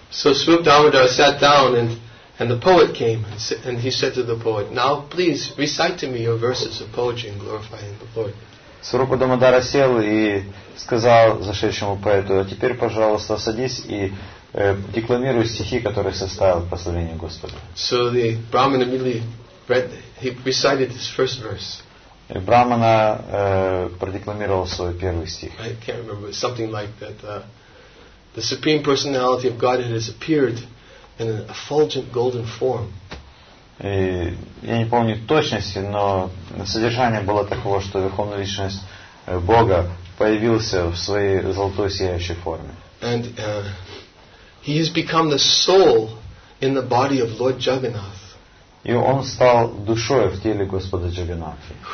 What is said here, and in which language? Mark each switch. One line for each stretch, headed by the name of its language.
English: So Swarup Damodara sat down And the poet came and he said to the poet, "Now please recite to me your verses of poetry and glorifying the Lord."
Russian: Swarup Damodara сел и сказал зашедшему поэту, "А теперь, пожалуйста, садись и декламируй стихи, которые составил по славлению Господа."
English: So the Brahmin immediately he recited his first verse.
Russian: И Брахмана продекламировал свой первый стих.
English: I can't remember something like that. The Supreme Personality of Godhead has appeared in an effulgent golden form.
Russian: Я не помню точности, но содержание было такого, что Верховная Личность Бога появился в своей золотой сияющей форме.
English: And he has become the soul in the body of Lord Jagannath.
Russian: И он стал душой в теле Господа Джагнатха.